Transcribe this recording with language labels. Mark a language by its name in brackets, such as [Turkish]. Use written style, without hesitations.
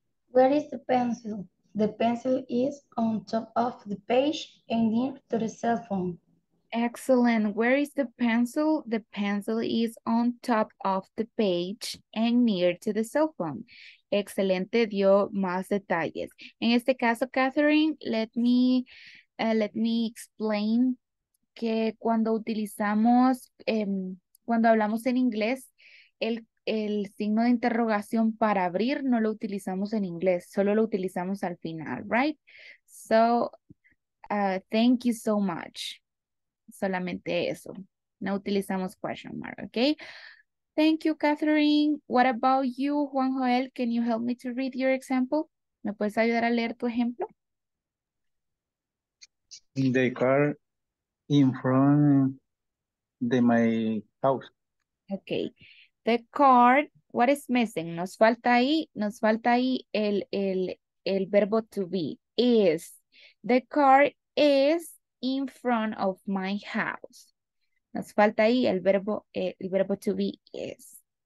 [English] Where is the pencil? The pencil is on top of the page and near to the cell phone. Excellent. Where is the pencil? The pencil is on top of the page and near to the cell phone. [Spanish] Excelente, dio más detalles. En este caso, Catherine, [English] let me explain [Spanish] que cuando utilizamos, cuando hablamos en inglés, el signo de interrogación para abrir no lo utilizamos en inglés, solo lo utilizamos al final, [English] right? So, thank you so much. [Spanish] Solamente eso. No utilizamos question mark, [English] okay? Thank you, Catherine. What about you, Juan Joel? Can you help me to read your example? [Spanish] ¿Me puedes ayudar a leer tu ejemplo? [English] The car in front de my house. Okay. The car, what is missing? [Spanish] Nos falta ahí el verbo [English] to be. Is. The car is in front of my house. [Spanish] Nos falta ahí el verbo to be is.